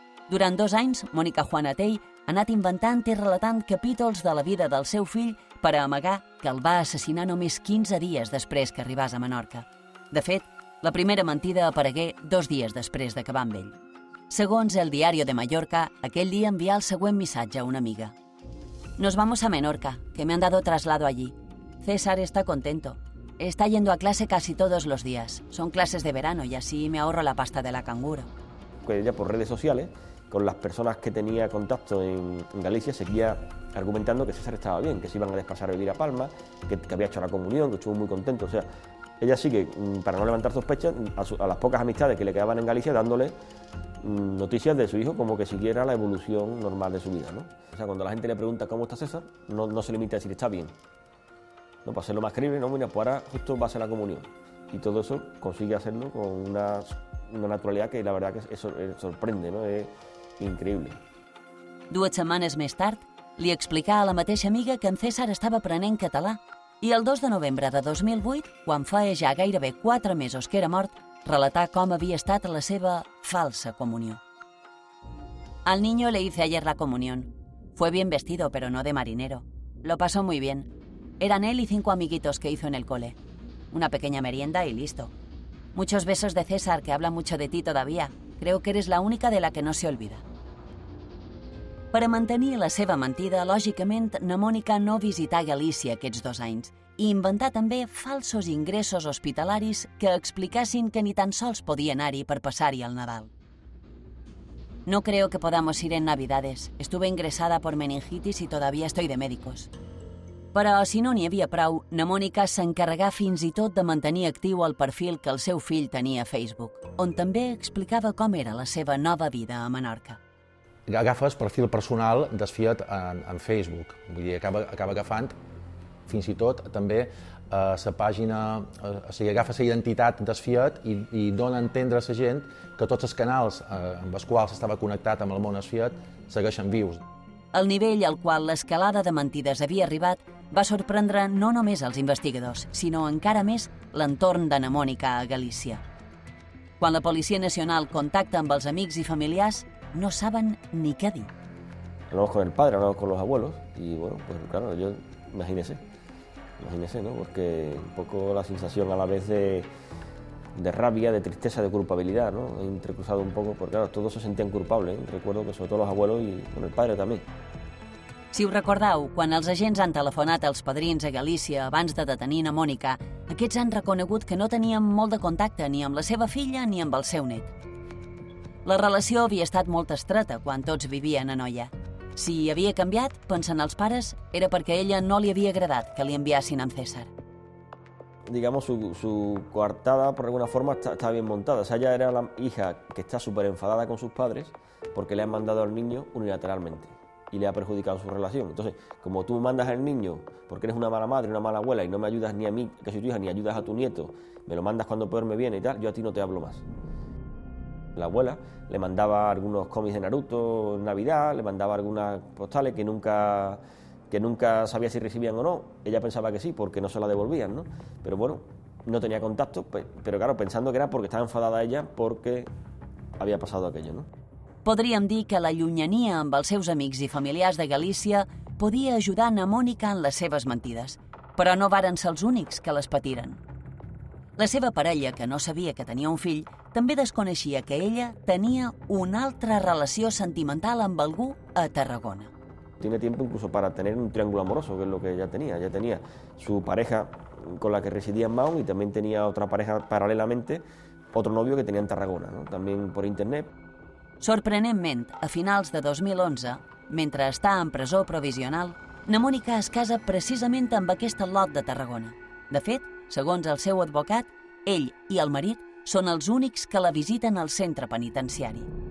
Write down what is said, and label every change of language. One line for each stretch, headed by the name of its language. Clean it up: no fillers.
Catalan: Durant 2 anys, Mònica Juanatey ha anat inventant i relatant capítols de la vida del seu fill per a amagar que el va assassinar només 15 dies després que arribàs a Menorca. De fet, la primera mentida aparegué 2 dies després d'acabar amb ell. Segons el Diario de Mallorca, aquell dia envià el següent missatge a una amiga.
Spanish: Nos vamos a Menorca, que me han dado traslado allí. César está contento. Está yendo a clase casi todos los días. Son clases de verano y así me ahorro la pasta de la canguro. Ella por redes sociales, con las personas que tenía contacto en Galicia, seguía argumentando que César estaba bien, que se iban a despasar a vivir a Palma, que había hecho la comunión, que estuvo muy contento. O sea, ella sigue, para no levantar sospechas, a las pocas amistades que le quedaban en Galicia, dándole noticias de su hijo como que siguiera la evolución normal de su vida, ¿no? O sea, cuando la gente le pregunta cómo está César, no se limita a decir está bien. No, para ser lo más creíble, no, mira, pues ahora justo va a ser la comunión. y todo eso consigue hacerlo con una naturalidad que la verdad que es sorprende, ¿no? Es increíble.
Catalan: Dues setmanes més tard, li explicà a la mateixa amiga que en César estava aprenent català i el 2 de novembre de 2008, quan feia ja gairebé 4 mesos que era mort, relatà com havia estat la seva falsa comunió.
Spanish: Al niño le hice ayer la comunión. Fue bien vestido, pero no de marinero. Lo pasó muy bien. Eran él y 5 amiguitos que hizo en el cole. Una pequeña merienda y listo. Muchos besos de César, que habla mucho de ti todavía. Creo que eres la única de la que no se olvida.
Catalan: Per a mantenir la seva mentida, lògicament, na Mònica no visità Galícia aquests 2 anys i inventà també falsos ingressos hospitalaris que explicassin que ni tan sols podia anar-hi per passar-hi el Nadal.
Spanish: No creo que podamos ir en Navidades. Estuve ingresada por meningitis y todavía estoy de médicos.
Catalan: Però, si no n'hi havia prou, na Mònica s'encarregà fins i tot de mantenir actiu el perfil que el seu fill tenia a Facebook, on també explicava com era la seva nova vida a Menorca. Agafes perfil personal desfiat en Facebook. Vull dir, acaba agafant fins i tot també la pàgina, o sigui, agafa la identitat desfiat i dona a entendre a la gent que tots els canals amb els quals estava connectat amb el món desfiat segueixen vius. El nivell al qual l'escalada de mentides havia arribat va sorprendre no només els investigadors, sinó encara més l'entorn de na Mònica a Galícia. Quan la Policia Nacional contacta amb els amics i familiars, no saben ni què dir.
Spanish: Hablamos con el padre, hablamos con los abuelos y bueno, pues claro, yo imagínese, ¿no? Porque un poco la sensación a la vez de rabia, de tristeza, de culpabilidad, ¿no? Entrecruzado un poco, porque claro, todos se sentían culpables, ¿eh? Recuerdo que sobre todo los abuelos y con el padre también.
Catalan: Si us recordeu, quan els agents han telefonat als padrins a Galícia abans de detenir na Mònica, aquests han reconegut que no tenien molt de contacte ni amb la seva filla ni amb el seu net. La relació havia estat molt estreta quan tots vivien a Noia. Si havia canviat, pensen els pares, era perquè a ella no li havia agradat que li enviassin amb César.
Spanish: Digamos, su coartada, por alguna forma, está bien montada. O sea, ella era la hija que está súper enfadada con sus padres porque le han mandado al niño unilateralmente y le ha perjudicado su relación. Entonces, como tú mandas al niño porque eres una mala madre, una mala abuela y no me ayudas ni a mí, que soy tu hija, ni ayudas a tu nieto, me lo mandas cuando poder me viene y tal, yo a ti no te hablo más. La abuela le mandaba algunos cómics de Naruto en Navidad, le mandaba algunas postales que nunca sabía si recibían o no. Ella pensaba que sí, porque no se la devolvían, ¿no? Pero bueno, no tenía contacto, pero claro, pensando que era porque estaba enfadada ella porque había pasado aquello, ¿no?
Catalan: Podríem dir que la llunyania amb els seus amics i familiars de Galícia podia ajudar na Mònica en les seves mentides, però no varen ser els únics que les patiren. La seva parella, que no sabia que tenia un fill, també desconeixia que ella tenia una altra relació sentimental amb algú a Tarragona.
Spanish: Tiene tiempo incluso para tener un triángulo amoroso, que es lo que ella tenía. Ella tenía su pareja con la que residía en Mahón y también tenía otra pareja paralelamente, otro novio que tenía en Tarragona, ¿no? También por internet.
Catalan: Sorprenentment, a finals de 2011, mentre està en presó provisional, na Mònica es casa precisament amb aquest lot de Tarragona. De fet, segons el seu advocat, ell i el marit són els únics que la visiten al centre penitenciari.